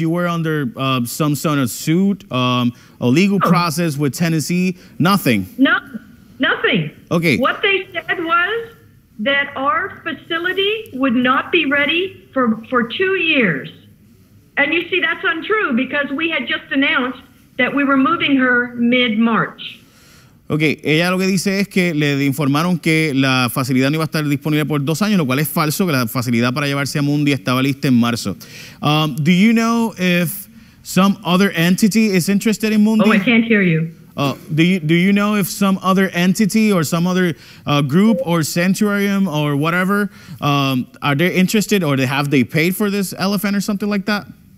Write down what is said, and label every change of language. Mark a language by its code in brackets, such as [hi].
[en] you were under some sort of suit, a legal process with Tennessee, nothing? No, nothing. Okay. What they said was that our facility would not be ready for 2 years. And you see, that's untrue because we had just announced that we were moving her mid-March. [es] Okay, ella lo que dice es que le informaron que la facilidad no iba a estar disponible por 2 años, lo cual es falso, que la facilidad para llevarse a Mundi estaba lista en marzo. [en] Do you know if some other entity is interested in Mundi? Oh, I can't hear you. Do you know if some other entity or some other group or sanctuarium or whatever, are they interested or have they paid for this elephant or something like that?